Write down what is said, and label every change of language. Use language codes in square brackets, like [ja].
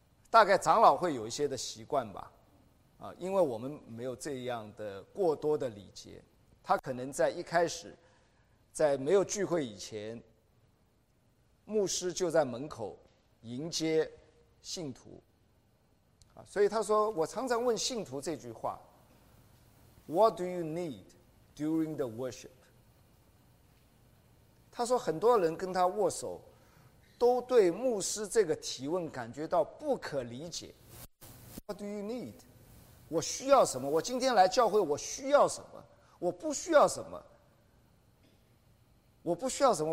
[zh] 大概长老会有一些的习惯吧，因为我们没有这样的过多的礼节，他可能在一开始，在没有聚会以前，牧师就在门口迎接信徒。所以他说，我常常问信徒这句话 [en] What do you need during the worship? [zh] 他说很多人跟他握手都对牧师这个提问感觉到不可理解。 [en] What do you need? [zh] 我需要什么？我今天来教会我需要什么？我不需要什么？我不需要什么？